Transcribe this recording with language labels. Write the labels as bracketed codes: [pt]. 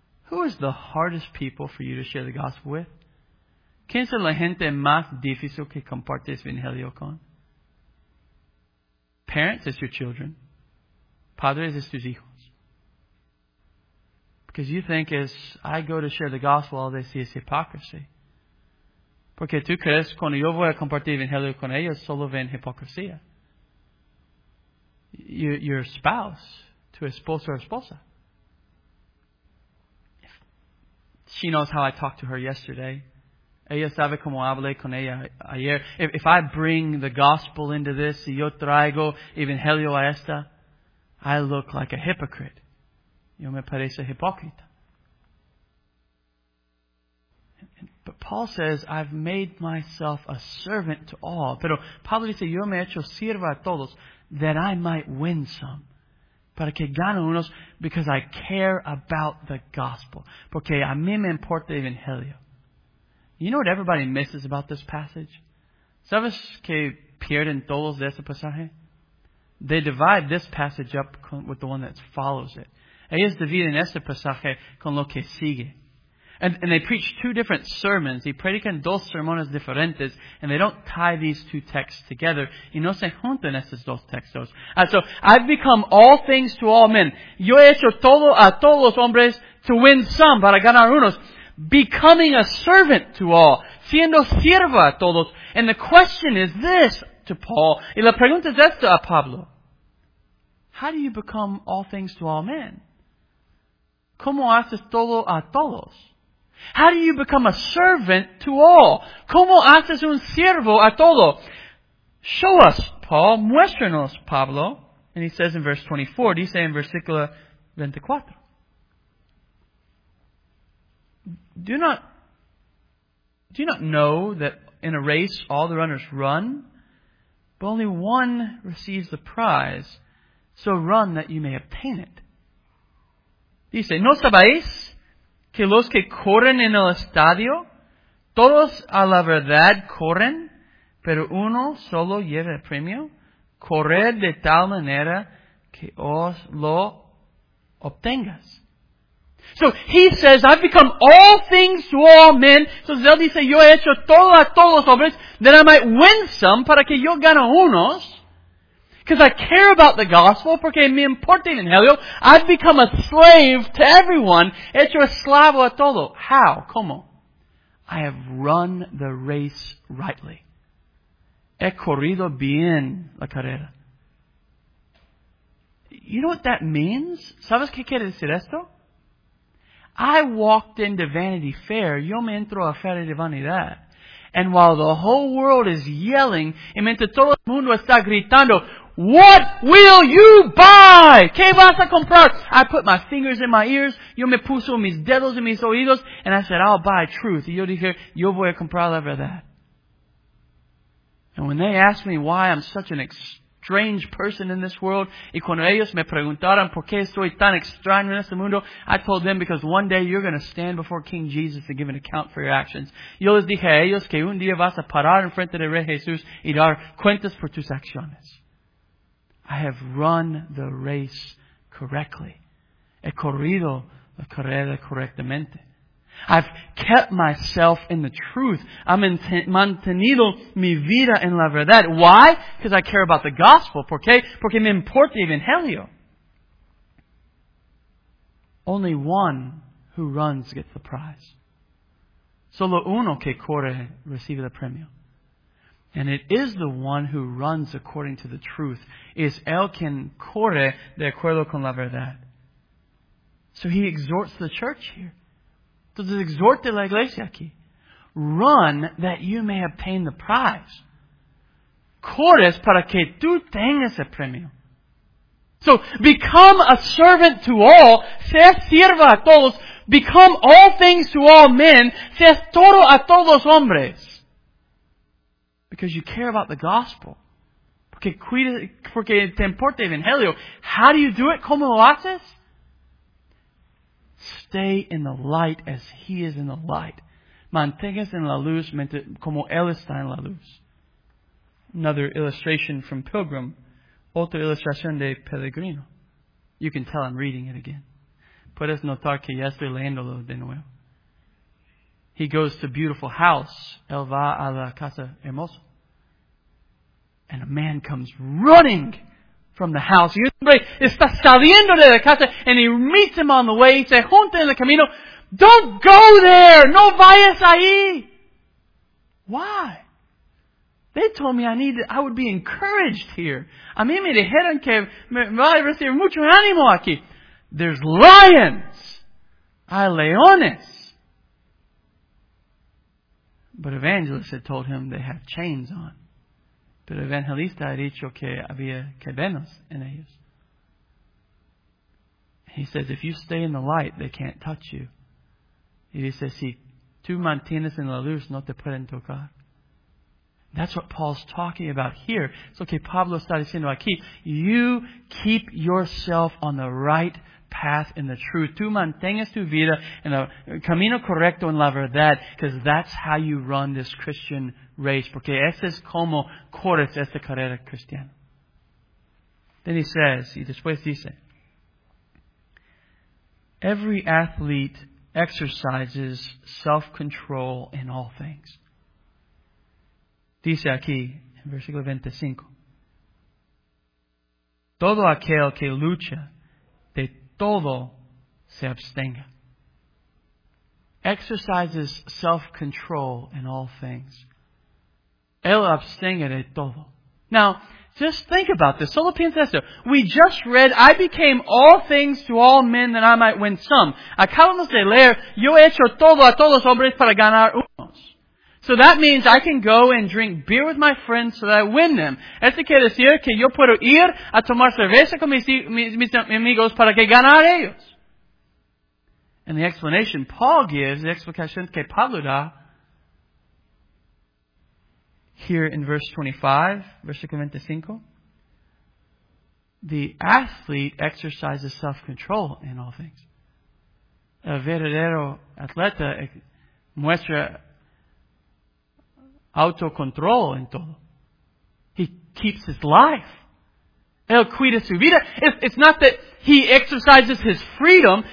[en] Who is the hardest people for you to share the gospel with? [es] ¿Quién es la gente más difícil que compartes [en] even hell you [es] con? [en] Parents, it's your children. [es] Padres, [en] it's [es] tus hijos. [en] Because you think, as I go to share the gospel, all they see is hypocrisy. [es] Porque tú crees, cuando yo voy a compartir el evangelio con ellos, solo ven hipocresía. [en] Your spouse, [es] tu esposo [en] or [es] esposa. [en] If she knows how I talked to her yesterday. [es] Ella sabe cómo hablé con ella ayer. [en] If I bring the gospel into this, [es] si yo traigo evangelio a esta, [en] I look like a hypocrite. [es] Yo me parece hipócrita. [en] But Paul says, I've made myself a servant to all. [es] Pero Pablo dice, yo me he hecho sirva a todos, [en] that I might win some. [es] Para que gane unos, [en] because I care about the gospel. [es] Porque a mí me importa evangelio. [en] You know what everybody misses about this passage? [es] ¿Sabes que pierden todos de ese pasaje? [en] They divide this passage up with the one that follows it. [es] Ellos dividen este pasaje con lo que sigue. [en] And they preach two different sermons. [es] Y predican dos sermones diferentes. [en] And they don't tie these two texts together. [es] Y no se juntan estos dos textos. [en] So, I've become all things to all men. [es] Yo he hecho todo a todos los hombres [en] to win some, [es] para ganar unos. [en] Becoming a servant to all. [es] Siendo sierva a todos. [en] And the question is this to Paul. [es] Y la pregunta es esta a Pablo. [en] How do you become all things to all men? [es] ¿Cómo haces todo a todos? [en] How do you become a servant to all? [es] ¿Cómo haces un siervo a todo? [en] Show us, Paul. [es] Muéstranos, Pablo. [en] And he says in verse 24. [es] Dice en versículo 24. [en] Do you not know that in a race all the runners run, but only one receives the prize? So run that you may obtain it. [es] Dice, ¿no sabéis que los que corren en el estadio, todos a la verdad corren, pero uno solo lleva el premio? Corred de tal manera que os lo obtengas. [en] So he says, I've become all things to all men. So Zeldi says, [es] yo he hecho todo a todos los hombres, [en] that I might win some, [es] para que yo gane unos. [en] because I care about the gospel, [es] porque me importa el evangelio, [en] I've become a slave to everyone, [es] hecho esclavo a todo. [en] How? [es] ¿Cómo? [en] I have run the race rightly. [es] He corrido bien la carrera. [en] You know what that means? [es] ¿Sabes qué quiere decir esto? [en] I walked into Vanity Fair. [es] Yo me entro a Feria de Vanidad. [en] And while the whole world is yelling, [es] y mientras todo el mundo está gritando, [en] what will you buy? [es] ¿Qué vas a comprar? [en] I put my fingers in my ears. [es] Yo me puso mis dedos en mis oídos. [en] And I said, I'll buy truth. [es] Y yo dije, yo voy a comprar la verdad. [en] And when they asked me why I'm such an strange person in this world, [es] y cuando ellos me preguntaron por qué soy tan extraño en este mundo, [en] I told them, because one day you're going to stand before King Jesus and give an account for your actions. [es] Yo les dije a ellos que un día vas a parar en frente del Rey Jesús y dar cuentas por tus acciones. [en] I have run the race correctly. [es] He corrido la carrera correctamente. [en] I've kept myself in the truth. I've [es] mantenido mi vida en la verdad. [en] Why? Because I care about the gospel. [es] ¿Por qué? Porque me importa el evangelio. [en] Only one who runs gets the prize. [es] Solo uno que corre recibe el premio. [en] And it is the one who runs according to the truth. [es] Es el quien corre de acuerdo con la verdad. [en] So he exhorts the church here. [es] Entonces, exhorte la iglesia aquí. [en] Run that you may obtain the prize. [es] Corres para que tú tengas el premio. [en] So, become a servant to all. [es] Seas sirva a todos. [en] Become all things to all men. [es] Seas todo a todos hombres. [en] Because you care about the gospel. [es] Porque te importa el evangelio. [en] How do you do it? [es] ¿Cómo lo haces? [en] Stay in the light as He is in the light. [es] Manténgase en la luz como Él está en la luz. [en] Another illustration from Pilgrim. [es] Otra ilustración de Peregrino. [en] You can tell I'm reading it again. [es] Puedes notar que ya estoy leyéndolo de nuevo. [en] He goes to a beautiful house. [es] Él va a la casa hermosa. [en] And a man comes running from the house. [es] Y un hombre está saliendo de la casa [en] and he meets him on the way. [es] Se junta en el camino. [en] Don't go there! [es] No vayas ahí! [en] Why? They told me I would be encouraged here. [es] A mí me dijeron que me voy a recibir mucho ánimo aquí. [en] There's lions! [es] Hay leones! [en] But evangelists had told him they have chains on. [es] Pero evangelista ha dicho que había cadenas en ellos. [en] He says, if you stay in the light, they can't touch you. [es] Y dice, si tú mantienes en la luz, no te pueden tocar. [en] That's what Paul's talking about here. [es] So que Pablo está diciendo aquí, [en] you keep yourself on the right path in the truth. [es] Tú mantengas tu vida en el camino correcto en la verdad, [en] because that's how you run this Christian race. [es] Porque ese es como corres esta carrera cristiana. [en] Then he says, [es] y después dice, [en] every athlete exercises self-control in all things. [es] Dice aquí, en versículo 25, todo aquel que lucha, de todo se abstenga. [en] Exercises self-control in all things. [es] El abstenga de todo. [en] Now, just think about this. [es] Solo piensa esto. [en] We just read, I became all things to all men that I might win some. [es] Acabamos de leer, yo he hecho todo a todos hombres para ganar unos. [en] So that means I can go and drink beer with my friends so that I win them. [es] Esto quiere decir que yo puedo ir a tomar cerveza con mis amigos para que ganar ellos. [en] And the explanation Paul gives, [es] the explicación que Pablo da, [en] here in verse 25, [es] versículo 25, [en] the athlete exercises self-control in all things. [es] El verdadero atleta muestra autocontrol en todo. [en] He keeps his life. [es] Él cuida su vida. [en] It's not that he exercises his freedom.